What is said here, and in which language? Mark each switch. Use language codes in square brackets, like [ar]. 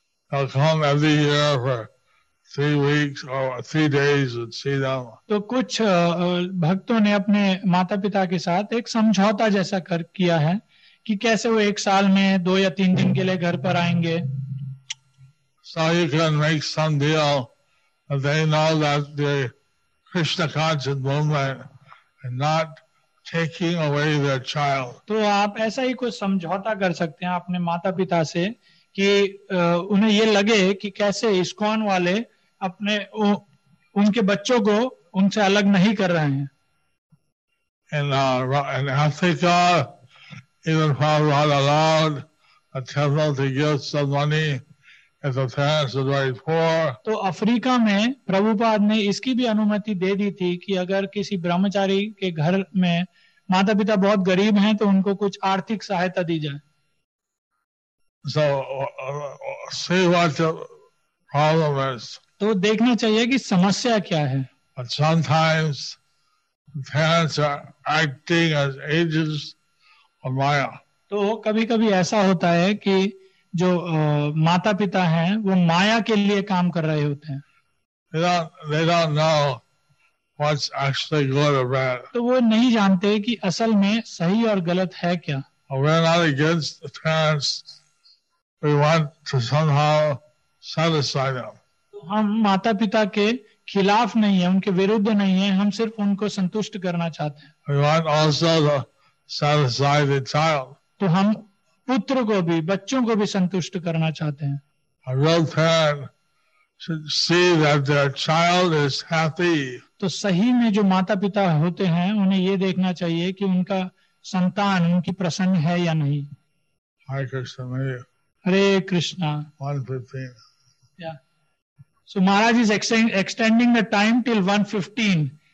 [en] They'll come every year for 3 weeks or 3 days and see them. [hi] तो कुछ भक्तों ने अपने माता पिता के साथ एक समझौता जैसा कर किया है कि कैसे वो एक साल में दो या तीन दिन के लिए घर पर आएंगे. [en] So you can make some deal and they know that the Krishna conscious movement and not taking away their child. [hi] तो आप ऐसा ही कुछ समझौता कर सकते हैं अपने माता पिता से कि उन्हें ये लगे कि कैसे इस्कॉन वाले अपने उनके बच्चों को उनसे अलग नहीं कर रहे हैं. [en] In Africa, even far not allowed a temple to give some money if the parents are very poor. [hi] तो अफ्रीका में प्रभुपाद ने इसकी भी अनुमति दे दी थी कि अगर किसी ब्रह्मचारी के घर में माता पिता बहुत गरीब हैं तो उनको कुछ आर्थिक सहायता दी जाए. [en] So, see what the problem is. [hi] तो देखना चाहिए कि समस्या क्या है. [en] But sometimes parents are acting as agents of Maya. [hi] तो कभी कभी ऐसा होता है कि जो माता पिता हैं वो माया के लिए काम कर रहे होते हैं. [en] They don't know what's actually good or bad. [hi] तो वो नहीं जानते कि असल में सही और गलत है क्या. [en] We're not against the parents. We want to somehow satisfy them. [hi] तो हम माता पिता के खिलाफ नहीं है, उनके विरुद्ध नहीं है, हम सिर्फ उनको संतुष्ट करना चाहते हैं. [en] We want also to satisfy the child. [hi] तो हम पुत्र को भी बच्चों को भी संतुष्ट करना चाहते हैं. [en] A real parent should see that their child is happy. [hi] तो सही में जो माता पिता होते हैं उन्हें ये देखना चाहिए कि उनका संतान उनकी प्रसन्न है या नहीं. हाय कृष्ण हरे कृष्णा. 1:15. [en] Yeah so Maharaj is extending the time till 1:15.